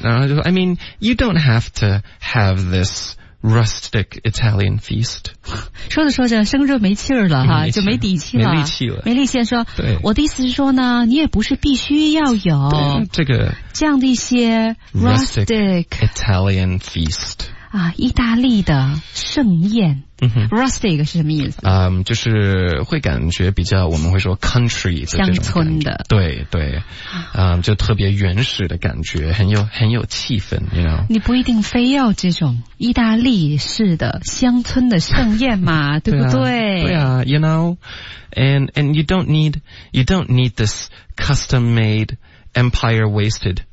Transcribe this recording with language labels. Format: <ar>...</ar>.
<zh>然后就说</zh> <en>，I mean， you don't have to have this。 Rustic Italian feast。</en> <zh>说着说着，生热没气儿了哈，就没底气了，没力气了，没力气说。对，我的意思是说呢，你也不是必须要有这个这样的一些</zh> <en>rustic Italian feast</en> <zh>啊，意大利的盛宴。Rustic 是什么意思？就是会感觉比较，我们会说 country 的乡村的，对对，就特别原始的感觉，很有气氛，</zh> <en>you know？</en> <zh>你不一定非要这种意大利式的乡村的盛宴嘛，对不对？对啊</zh> <en>，you know，and you don't need this custom made empire wasted</en>